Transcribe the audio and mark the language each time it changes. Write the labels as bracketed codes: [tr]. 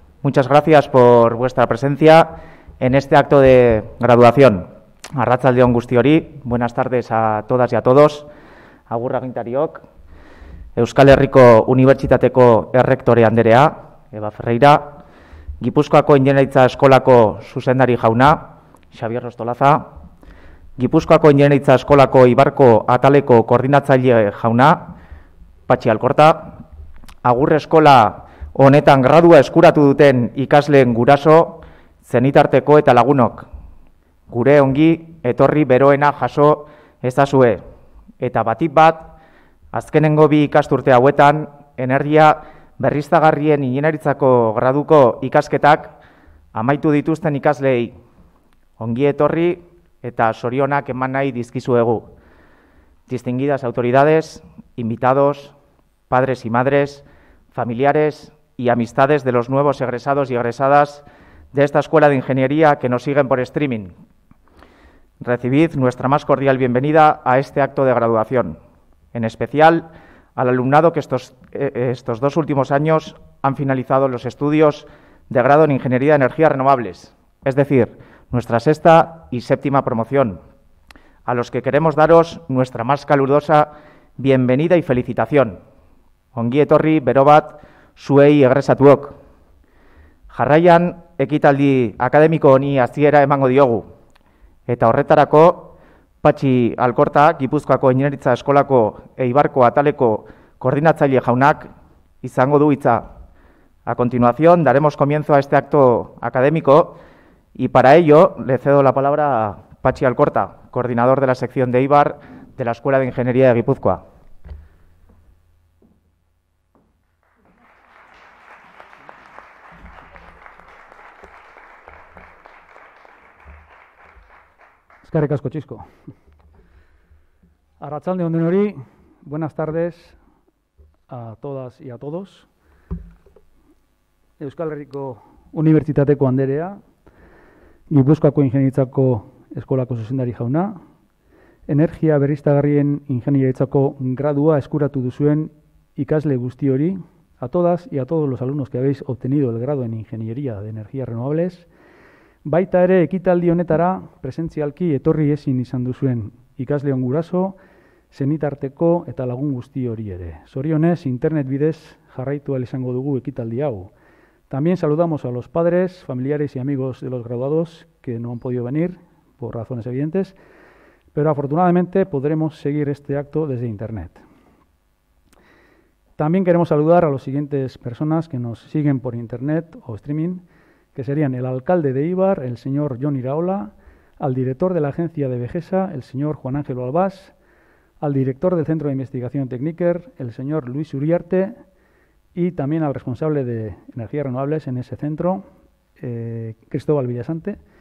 [es] Muchas gracias por vuestra presencia en este acto de graduación. [eu] Arratsaldeon guztiori, [es] buenas tardes a todas y a todos. [eu] Agur agintariok, Euskal Herriko Unibertsitateko errektore anderea, Eva Ferreira, Gipuzkoako Ingenieritza Eskolako zuzendari jauna, Xabier Rostolaza, Gipuzkoako Ingenieritza Eskolako Ibarko Ataleko koordinatzaile jauna, Patxi Alkorta, Agur Eskola honetan gradua eskuratu duten ikasleen guraso, zenitarteko eta lagunok. Gure ongi etorri beroena jaso ezazue. Eta batik bat, azkenengo bi ikasturte hauetan, energia berriztagarrien ingenieritzako graduko ikasketak amaitu dituzten ikasleei. Ongi etorri eta sorionak eman nahi dizkizuegu. [es] Distinguidas autoridades, invitados, padres y madres, familiares y amistades de los nuevos egresados y egresadas de esta Escuela de Ingeniería que nos siguen por streaming. Recibid nuestra más cordial bienvenida a este acto de graduación, en especial al alumnado que estos dos últimos años han finalizado los estudios de grado en Ingeniería de Energías Renovables, es decir, nuestra sexta y séptima promoción, a los que queremos daros nuestra más calurosa bienvenida y felicitación. [eu] Ongi etorri bero bat zuei egresatuok. Jarraian ekitaldi akademiko honi hasiera emango diogu. Eta horretarako, Patxi Alkorta, Gipuzkoako Ingenieritza Eskolako Eibarko Ataleko koordinatzaile jaunak izango du hitza. [es] A continuación, daremos comienzo a este acto académico y para ello le cedo la palabra a Patxi Alkorta, coordinador de la sección de Eibar de la Escuela de Ingeniería de Gipuzkoa. [eu] Eskerrik asko, Txisko. Arratsalde honen hori, [es] buenas tardes a todas y a todos. [eu] Euskal Herriko Unibertsitateko anderea, Gipuzkoako Ingenieritzako Eskolako zuzendari jauna, energia berriztagarrien ingenieritzako gradua eskuratu duzuen ikasle guzti hori, [es] a todas y a todos los alumnos que habéis obtenido el grado en Ingeniería de Energías Renovables, [eu] baita ere ekitaldi honetara presentzialki etorri ezin izan duzuen ikasleon guraso, zenitarteko eta lagun guzti hori ere. Zorionez, internet bidez jarraitu ahal izango dugu ekitaldi hau. [es] También saludamos a los padres, familiares y amigos de los graduados que no han podido venir por razones evidentes, pero afortunadamente podremos seguir este acto desde internet. También queremos saludar a las siguientes personas que nos siguen por internet o streaming, que serían el alcalde de Eibar, el señor Jon Iraola, al director de la agencia de Vegesa, el señor Juan Ángel Albás, al director del Centro de Investigación Tekniker, el señor Luis Uriarte, y también al responsable de Energías Renovables en ese centro, Cristóbal Villasante.